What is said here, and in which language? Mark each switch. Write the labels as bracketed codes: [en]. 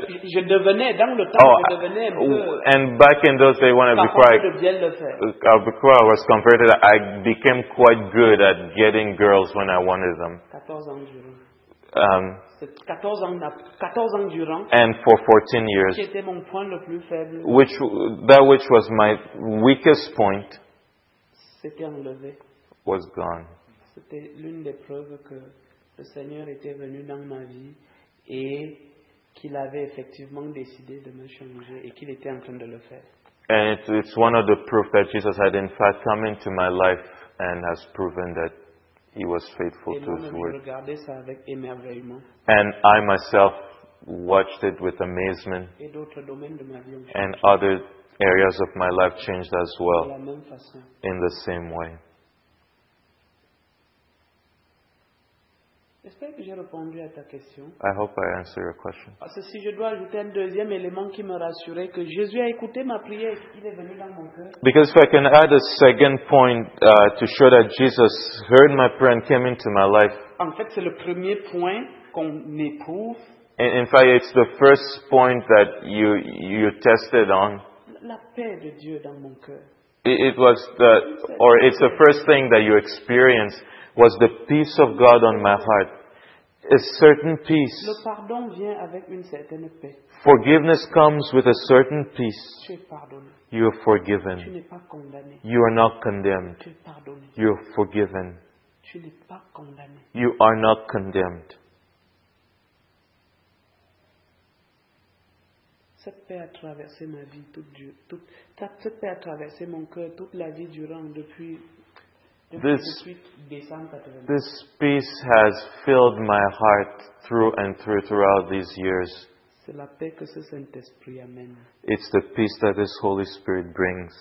[fr] je devenais dans le temps je devenais peu, [en] and back in those days when I before I was converted I became quite good at getting girls when I wanted them [fr] 14 ans durant [en] and for 14 years [fr] qui était mon point le plus faible, [en] which was my weakest point [fr] c'était enlevé [en] was gone [fr] c'était l'une des preuves que le Seigneur était venu dans ma vie et qu'il avait effectivement décidé de me changer et qu'il était en train de le faire. [en] And it's one of the proofs that Jesus had in fact come into my life and has proven that he was faithful [fr] et [en] to his word. [fr] Regardais ça avec émerveillement. [en] And I myself watched it with amazement. [fr] Et d'autres domaines de ma vie ont changé. [en] And other areas of my life changed as well. [fr] De la même façon. [en] In the same way. [fr] J'espère que j'ai répondu à ta question. [en] I hope I answered your question. [fr] Parce que si je dois ajouter un deuxième élément qui me rassurait, que Jésus a écouté ma prière, il est venu dans mon cœur. [en] Because if I can add a second point to show that Jesus heard my prayer and came into my life. [fr] En fait, c'est le premier point qu'on éprouve. [en] In fact, it's the first point that you tested on. [fr] La paix de Dieu dans mon cœur. [en] It's the first thing that you experienced was the peace of God on my heart. A certain peace. [fr] Le pardon vient avec une certaine paix. [en] Forgiveness comes with a certain peace. [fr] Tu es pardonné. [en] You are forgiven. [fr] Tu n'es pas condamné. [en] You are not condemned. [fr] Tu es pardonné. [en] You are forgiven. [fr] Tu n'es pas condamné. [en] You are not condemned. [fr] Cette paix a traversé ma vie, cette paix a traversé mon cœur toute la vie durant depuis. [en] This peace has filled my heart through and through throughout these years. [fr] C'est la paix que ce Saint-Esprit amène. [en] It's the peace that this Holy Spirit brings.